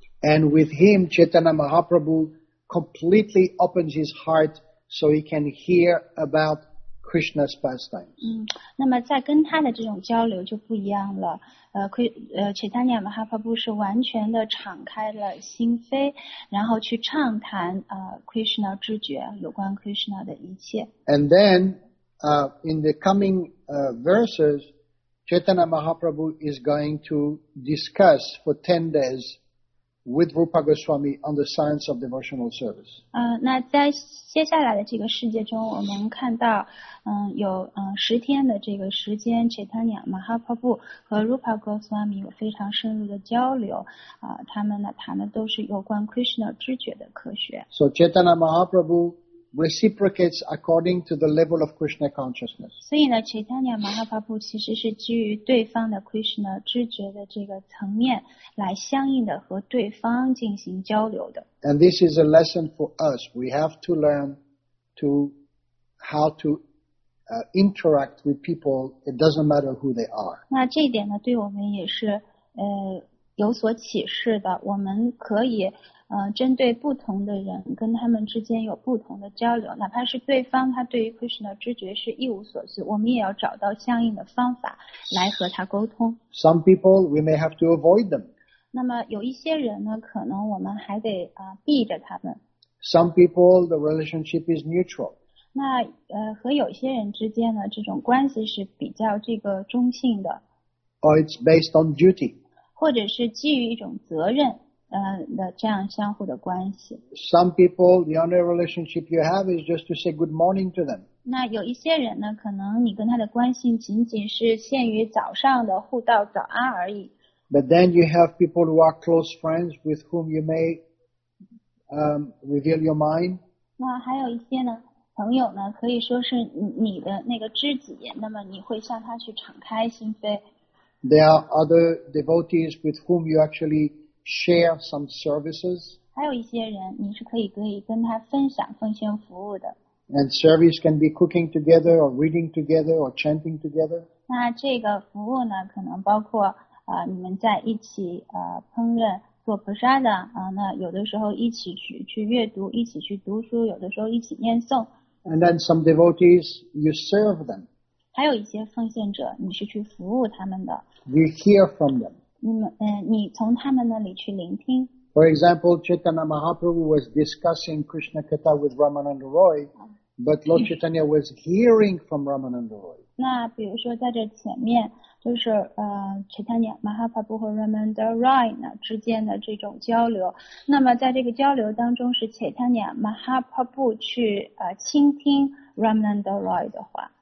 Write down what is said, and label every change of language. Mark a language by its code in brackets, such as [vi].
[en] And with him, Chaitanya Mahaprabhu completely opens his heart so he can hear about Krishna's pastimes. [zh] 那么在跟他的这种交流就不一样了。 Chaitanya Mahaprabhu 是完全的敞开了心扉，然后去畅谈Krishna 知觉，有关 Krishna 的一切。 [en] And then, in the coming verses, Chaitanya Mahaprabhu is going to discuss for 10 days with Rupa Goswami on the science of devotional service. [zh] 那在接下来的这个世界中，我们看到。有十天的这个时间 ，Chaitanya Mahaprabhu 和 Rupa Goswami 有非常深入的交流。他们呢谈的都是有关 Krishna 知觉的科学。 [en] So Chaitanya Mahaprabhu reciprocates according to the level of Krishna consciousness. [zh] 所以呢 ，Chaitanya Mahaprabhu 其实是基于对方的 Krishna 知觉的这个层面来相应的和对方进行交流的。 [en] And this is a lesson for us. We have to learn to how to interact with people, it doesn't matter who they are. [zh] 那这一点呢对我们也是有所启示的。我们可以针对不同的人跟他们之间有不同的交流，哪怕是对方他对于 Krishna 知觉是一无所知，我们也要找到相应的方法来和他沟通。 [en] Some people, we may have to avoid them. [zh] 那么有一些人呢可能我们还得避着他们。 [en] Some people, the relationship is neutral. [zh] 那和有些人之间呢这种关系是比较这个中性的。 [en] Or it's based on duty. [zh] 或者是基于一种责任的这样相互的关系。 [en] Some people, the only relationship you have is just to say good morning to them. [zh] 那有一些人呢可能你跟他的关系仅仅是限于早上的互道早安而已。 [en] But then you have people who are close friends with whom you may reveal your mind. [zh] 那还有一些呢朋友呢可以说是你的那个知己，那么你会向他去敞开心扉。 [en] There are other devotees with whom you actually share some services. [zh] 还有一些人你是可以跟他分享奉献服务的。 [en] And service can be cooking together or reading together or chanting together. [zh] 那这个服务呢可能包括你们在一起烹饪。做菩萨的那有的时候一起去阅读，一起去读书，有的时候一起念诵。 [en] And then some devotees, you serve them. [zh] 还有一些奉献者，你是去服务他们的。 [en] You hear from them. [zh] 你从他们那里去聆听。 [en] For example, Chaitanya Mahaprabhu was discussing Krishna Katha with Ramananda Roy, but Lord Chaitanya was hearing from Ramananda Roy. [zh] 那比如说在这前面。就是Chaitanya Mahaprabhu 和 Ramananda Roy 呢之间的这种交流，那么在这个交流当中是 Chaitanya Mahaprabhu 去倾听 Ramananda Roy 的话。